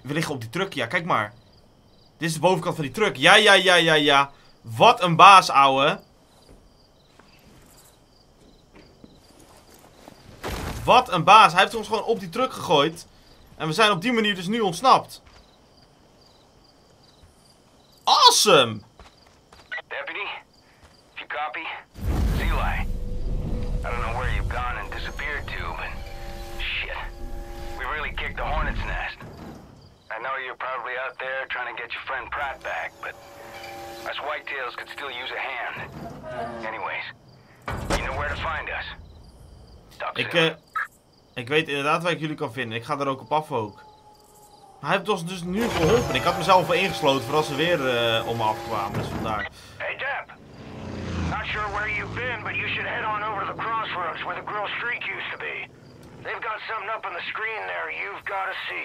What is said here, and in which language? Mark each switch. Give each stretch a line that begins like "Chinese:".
Dutch: We liggen op die truck, ja, kijk maar. Dit is de bovenkant van die truck. Ja, ja, ja, ja, ja. Wat een baas, ouwe. Wat een baas. Hij heeft ons gewoon op die truck gegooid. En we zijn op die manier dus nu ontsnapt.
English: Awesome! Deputy, if you copy, it's Eli. I don't know where you've gone and disappeared to, but shit. We really kicked the hornet's nest. I know you're probably out there trying to get your friend Pratt back, but us whitetails could still use a hand. Anyways, you know where to find us.
Dutch: Ik weet inderdaad waar ik jullie kan vinden. Ik ga er ook op af ook. Maar hij heeft ons dus nu geholpen. Ik had mezelf al ingesloten voor als ze weer om me afkwamen. Dus vandaar.
English: Hey Depp. Not sure where you've been, but you should head on over to the crossroads where the grill streak used to be. They've got something up on the screen there you've got to see.